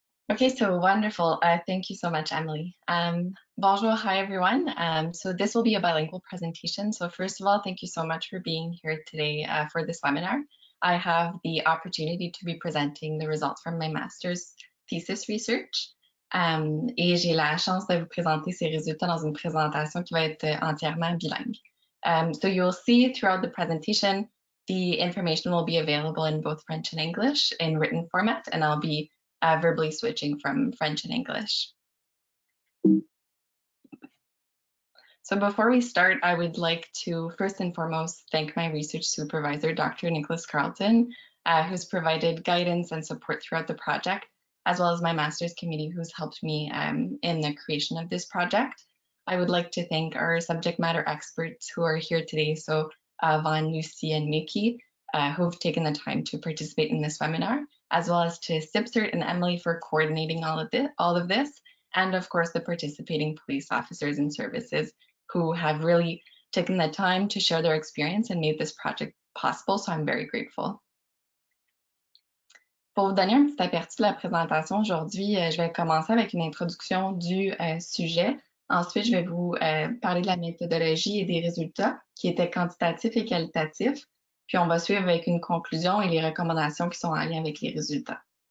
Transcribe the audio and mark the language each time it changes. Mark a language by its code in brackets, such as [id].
[en] Okay, so wonderful. Thank you so much, Emily. Bonjour, hi everyone. So this will be a bilingual presentation. So first of all, thank you so much for being here today for this webinar. I have the opportunity to be presenting the results from my master's thesis research. [fr] Et j'ai la chance de vous présenter ces résultats dans une présentation qui va être entièrement bilingue. [en] So you'll see throughout the presentation, the information will be available in both French and English in written format, and I'll be verbally switching from French and English. So before we start, I would like to first and foremost thank my research supervisor, Dr. Nicholas Carlton, who's provided guidance and support throughout the project, as well as my master's committee, who's helped me in the creation of this project. I would like to thank our subject matter experts who are here today. So Vaughn, Lucy, and Nikki, who've taken the time to participate in this webinar, as well as to SIPCERT and Emily for coordinating all of this. And of course, the participating police officers and services who have really taken the time to share their experience and made this project possible. So I'm very grateful. [fr] Pour vous donner un petit aperçu de la présentation aujourd'hui, je vais commencer avec une introduction du sujet. Ensuite, je vais vous parler de la méthodologie et des résultats qui étaient quantitatifs et qualitatifs. Puis, on va suivre avec une conclusion et les recommandations qui sont en lien avec les résultats.